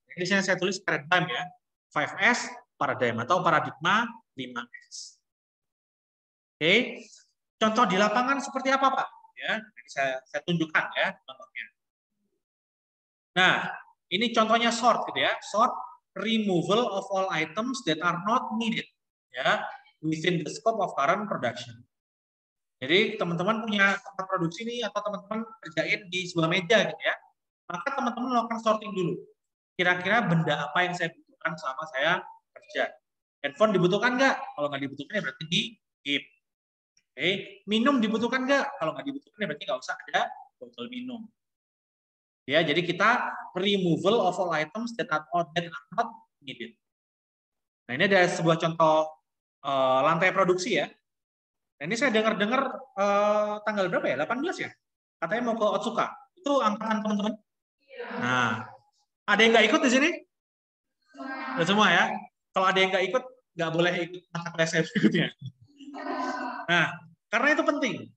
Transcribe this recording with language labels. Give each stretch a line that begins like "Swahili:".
Indonesian: Jadi saya tulis paradigm ya. 5S paradigm atau paradigma 5S. Oke. Contoh di lapangan seperti apa, Pak? Ya, saya tunjukkan ya contohnya. Nah, ini contohnya sort gitu ya.
English: Sort removal of all items that are not needed, ya, within the scope of current production.
Indonesian: Jadi teman-teman punya tempat produksi nih atau teman-teman kerjain di sebuah meja gitu ya. Maka teman-teman melakukan sorting dulu. Kira-kira benda apa yang saya butuhkan selama saya kerja. Handphone dibutuhkan nggak? Kalau nggak dibutuhkan ya berarti di-keep. Okay. Minum dibutuhkan nggak? Kalau nggak dibutuhkan ya berarti nggak usah ada botol minum. Ya, jadi kita
English: removal of all items that are not needed.
Indonesian: Nah, ini ada sebuah contoh lantai produksi ya. Nah, ini saya dengar-dengar tanggal berapa ya? 18 ya? Katanya mau ke Otsuka. Itu angkatan teman-teman? Iya. Nah, ada yang nggak ikut di sini? Nggak semua ya? Kalau ada yang nggak ikut, nggak boleh ikut angkat resep berikutnya. Nah, karena itu penting.